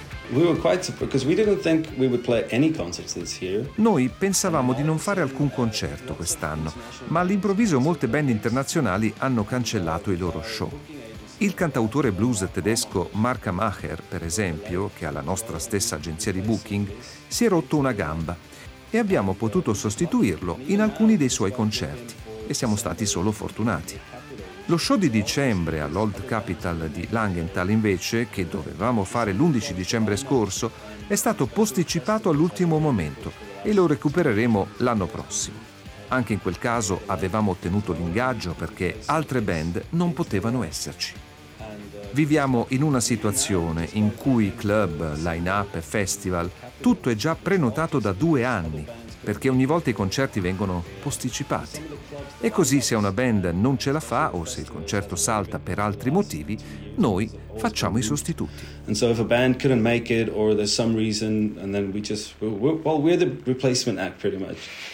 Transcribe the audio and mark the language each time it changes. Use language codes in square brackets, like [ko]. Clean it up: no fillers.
[en] We were quite surprised because we didn't think we would play any concerts this year. [it] Noi pensavamo di non fare alcun concerto quest'anno, ma all'improvviso molte band internazionali hanno cancellato i loro show. Il cantautore blues tedesco Mark Maher, per esempio, che ha la nostra stessa agenzia di booking, si è rotto una gamba e abbiamo potuto sostituirlo in alcuni dei suoi concerti e siamo stati solo fortunati. Lo show di dicembre all'Old Capital di Langenthal, invece, che dovevamo fare l'11 dicembre scorso, è stato posticipato all'ultimo momento e lo recupereremo l'anno prossimo. Anche in quel caso avevamo ottenuto l'ingaggio perché altre band non potevano esserci. Viviamo in una situazione in cui club, line-up e festival, tutto è già prenotato da 2 anni, perché ogni volta i concerti vengono posticipati. E così se una band non ce la fa o se il concerto salta per altri motivi, noi facciamo i sostituti. [en] And so if a band couldn't make it or there's some reason and then we just well we're the replacement act pretty much.